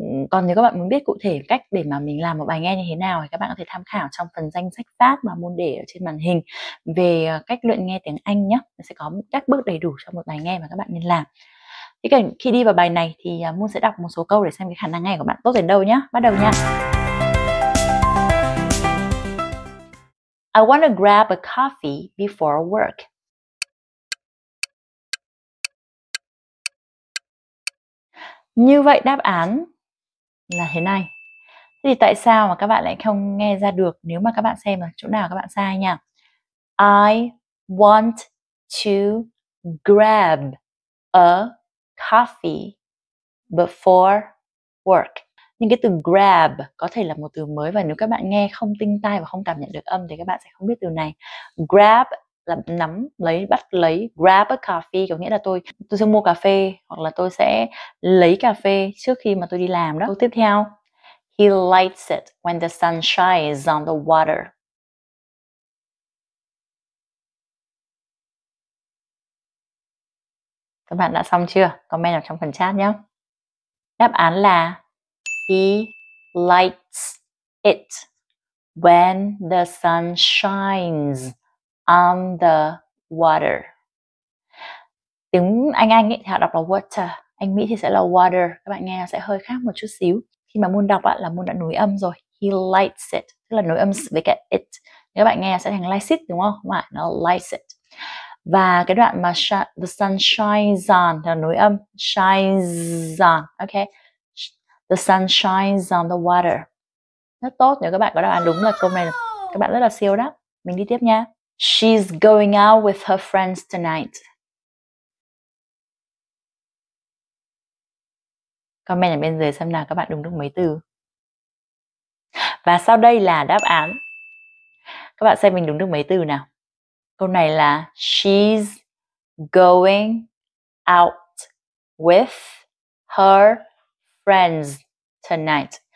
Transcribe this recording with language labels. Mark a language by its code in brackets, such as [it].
[vi] Còn nếu các bạn muốn biết cụ thể cách để mà mình làm một bài nghe như thế nào thì các bạn có thể tham khảo trong phần danh sách phát mà môn để ở trên màn hình về cách luyện nghe tiếng Anh nhé. Sẽ có các bước đầy đủ cho một bài nghe mà các bạn nên làm. Thế cả khi đi vào bài này thì Moon sẽ đọc một số câu để xem cái khả năng nghe của bạn tốt đến đâu nhé. Bắt đầu nha. [en] I want to grab a coffee before work. [vi] Như vậy đáp án là thế này. Thế thì tại sao mà các bạn lại không nghe ra được nếu mà các bạn xem là chỗ nào các bạn sai nha. [en] I want to grab a coffee before work. [vi] Nhưng cái từ grab có thể là một từ mới và nếu các bạn nghe không tinh tai và không cảm nhận được âm thì các bạn sẽ không biết từ này. Grab là nắm lấy, bắt lấy. Grab a coffee có nghĩa là tôi sẽ mua cà phê hoặc là tôi sẽ lấy cà phê trước khi mà tôi đi làm đó. Câu tiếp theo. [en] He lights it when the sun shines on the water. [vi] Các bạn đã xong chưa? Comment ở trong phần chat nhé. Đáp án là [en] He lights it when the sun shines on the water. [vi] Tiếng Anh ấy, thì họ đọc là water. Anh Mỹ thì sẽ là water. Các bạn nghe sẽ hơi khác một chút xíu. Khi mà Moon đọc là Moon đã nối âm rồi. [en] He lights it. [vi] Tức là nối âm với cái it. Các bạn nghe sẽ thành lights it đúng không? Đúng không? Nó lights it. Và cái đoạn mà [en] the sun shines on là nối âm shines on, okay, the sun shines on the water. [vi] Rất tốt, nếu các bạn có đáp án đúng là câu này các bạn rất là siêu đó. Mình đi tiếp nha. [en] She's going out with her friends tonight. [vi] Comment ở bên dưới xem nào các bạn đúng được mấy từ. Và sau đây là đáp án, các bạn xem mình đúng được mấy từ nào. Câu này là [en] she's going out with her friends tonight.